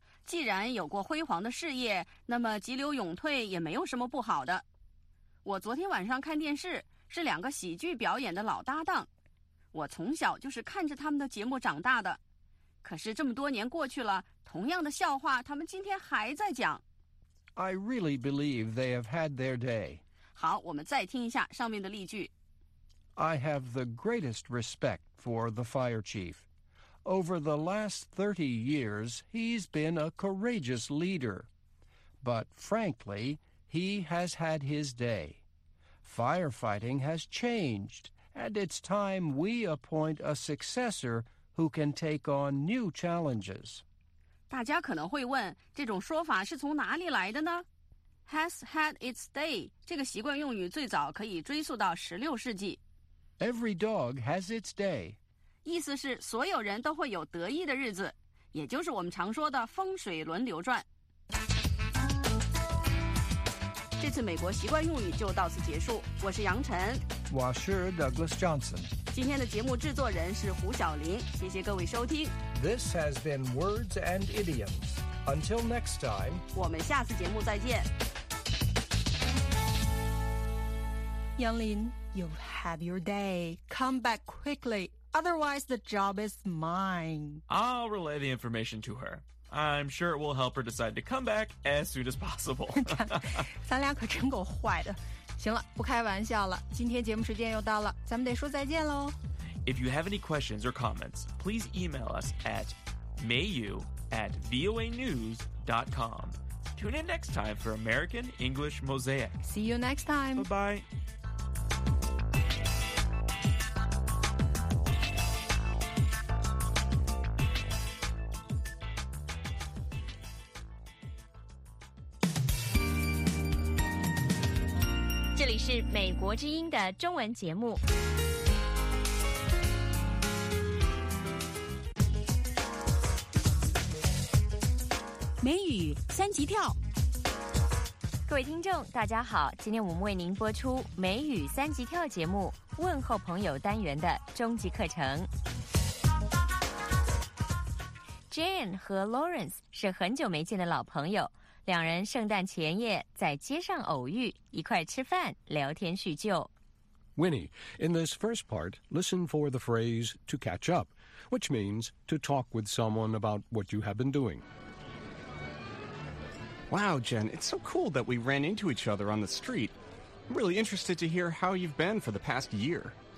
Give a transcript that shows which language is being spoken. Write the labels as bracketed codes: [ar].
[zh] 既然有过辉煌的事业，那么急流勇退也没有什么不好的。我昨天晚上看电视，是两个喜剧表演的老搭档，我从小就是看着他们的节目长大的，可是这么多年过去了，同样的笑话他们今天还在讲。 [en] I really believe they have had their day. [zh] 好，我们再听一下上面的例句。 [en] I have the greatest respect for the fire chief. Over the last 30 years, he's been a courageous leader. But frankly, he has had his day. Firefighting has changed, and it's time we appoint a successor. Who can take on new challenges? [zh] 大家可能会问，这种说法是从哪里来的呢？ [en] Has had its day [zh] 这个习惯用语最早可以追溯到16世纪。 [en] Every dog has its day. [zh] 意思是所有人都会有得意的日子，也就是我们常说的风水轮流转。这次美国习惯用语就到此结束，我是杨晨。我是 Douglas Johnson。今天的节目制作人是胡晓琳，谢谢各位收听。 [en] This has been Words and Idioms. Until next time. [zh] 我们下次节目再见。 [en] 杨琳 you have your day. Come back quickly. Otherwise, the job is mine. I'll relay the information to her. I'm sure it will help her decide to come back as soon as possible. [zh] 咱俩可真够坏的。行了，不开玩笑了，今天节目时间又到了，咱们得说再见咯。 [en] If you have any questions or comments, please email us at mayu@voanews.com. Tune in next time for American English Mosaic. See you next time. Bye-bye. [zh] 是美国之音的中文节目。美语三级跳。各位听众大家好，今天我们为您播出美语三级跳节目问候朋友单元的终极课程。 Jane 和 Lawrence 是很久没见的老朋友，两人圣诞前夜在街上偶遇，一块吃饭聊天叙旧。 [en] Winnie, in this first part, listen for the phrase to catch up, which means to talk with someone about what you have been doing. Wow, Jen, it's so cool that we ran into each other on the street. I'm really interested to hear how you've been for the past year.